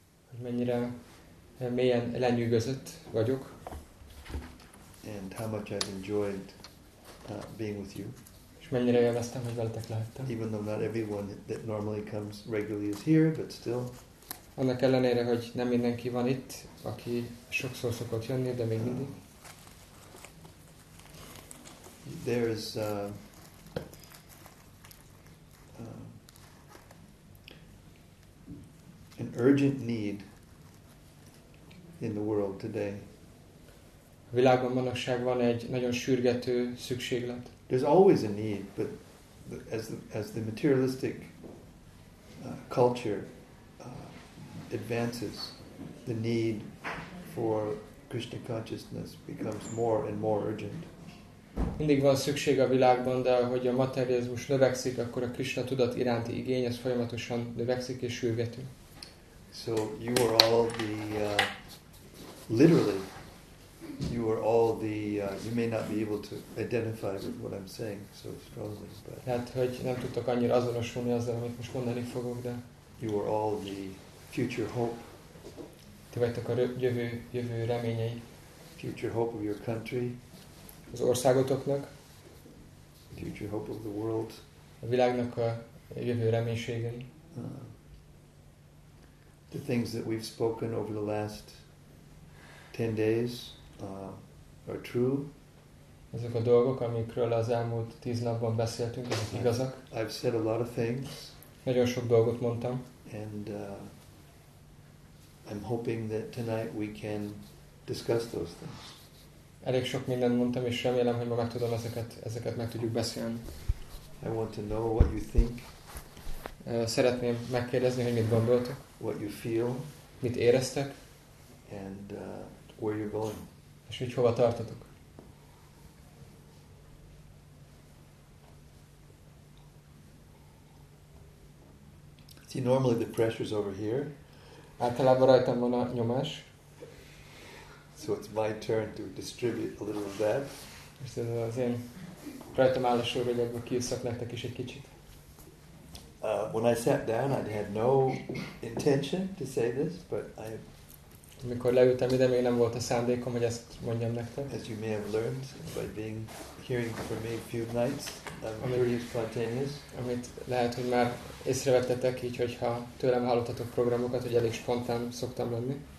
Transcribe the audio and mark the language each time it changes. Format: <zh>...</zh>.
<hu>Hogy mennyire mélyen lenyűgözött vagyok.</hu> <en>And how much I've enjoyed being with you.</en> <hu>És mennyire élveztem, hogy veletek lehettem.</hu> <en>Even though not everyone that normally comes regularly is here, but still.</en> <hu>Annak ellenére, hogy nem mindenki van itt, aki sokszor szokott jönni, de még mindig.</hu> <en>There is an urgent need in the world today.</en> <hu>A világban manapság van egy nagyon sürgető szükséglet.</hu> <en>There's always a need, but as the materialistic culture advances, the need for Krishna consciousness becomes more and more urgent.</en> <hu>Mindig van szükség a világban, de ahogy a materializmus növekszik, akkor a Krishna tudat iránti igény ez folyamatosan növekszik és sürgető.</hu> <en>So you are all the literally. You are all the. You may not be able to identify with what I'm saying so strongly, but.</en> <hu>Hát, hogy nem tudtak annyira azonosulni azzal, amit most mondani fogok, de.</hu> <en>You are all the future hope.</en> <hu>Ti vagytok a jövő reményei.</hu> <en>Future hope of your country.</en> <hu>Az országotoknak.</hu> <en>Future hope of the world.</en> <hu>A világnak a jövő reménységei.</hu> <en>The things that we've spoken over the last 10 days. Are true.</en> <hu>Ezek a dolgok, amikről az elmúlt 10 napban beszéltünk, azok igazak.</hu> <en>I've said a lot of things.</en> <hu>Nagyon sok dolgot mondtam.</hu> <en>And I'm hoping that tonight we can discuss those things.</en> <hu>Elég sok mindent mondtam, és remélem, hogy ma meg tudom ezeket meg tudjuk beszélni.</hu> <en>I want to know what you think.</en> <hu>Szeretném megkérdezni, hogy mit gondoltok.</hu> <en>What you feel.</en> <hu>Mit éreztek.</hu> <en>And where you're going.</en> <hu>És hogy hova tartatok?</hu> <en>See, normally the pressure's over here.</en> <hu>Általában rajtam van a nyomás.</hu> <en>So it's my turn to distribute a little of that.</en> <hu>És ez az én rajtam áll a sor, hogy ebből kiusszak nektek is egy kicsit.</hu> <en>When I sat down, I'd had no intention to say this, but I.</en> <hu>Amikor leültem ide, még nem volt a szándékom, hogy ezt mondjam nektek.</hu> <en>As you may have learned by being hearing from me a few nights, I'm very spontaneous.</en> <hu>Amit lehet, hogy már észrevettetek, így hogyha tőlem hallottatok programokat, hogy elég spontán szoktam lenni.</hu>